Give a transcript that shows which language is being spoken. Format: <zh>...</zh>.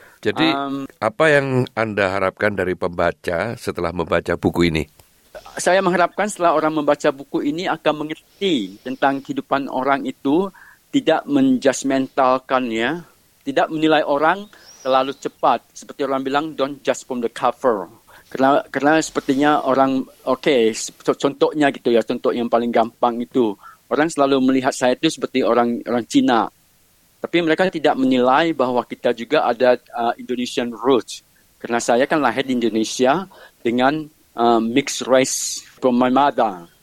<id>Jadi apa yang Anda harapkan dari pembaca setelah membaca buku ini? Saya mengharapkan setelah orang membaca buku ini akan mengerti tentang kehidupan orang itu, tidak menjudgmentalkannya, tidak menilai orang terlalu cepat. Seperti orang bilang,</id> <en>don't judge from the cover.</en> <id>Karena sepertinya orang, contohnya gitu ya, contoh yang paling gampang itu, orang selalu melihat saya itu seperti orang Cina. Tapi mereka tidak menilai bahwa kita juga ada</id> <en>Indonesian roots.</en> <id>Karena saya kan lahir di Indonesia dengan</id> <en>mixed race from my mother.</en>